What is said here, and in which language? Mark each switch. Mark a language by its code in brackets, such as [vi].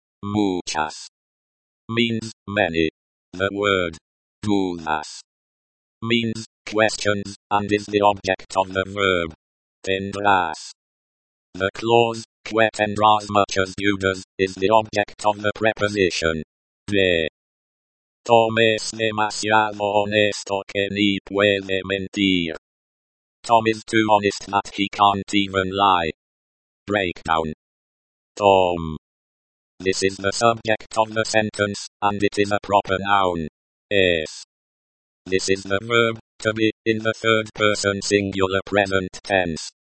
[en] Muchas means many. The word dudas means questions and is the object of the verb tendrás. The clause que tendrás much as you does is the object of the preposition de. [es] Tom es demasiado honesto que ni puede mentir. [en] Tom is too honest that he can't even lie. Breakdown. Tom. This is the subject of the sentence, and it is a proper noun. Es. This is the verb, to be, in the third person singular present tense.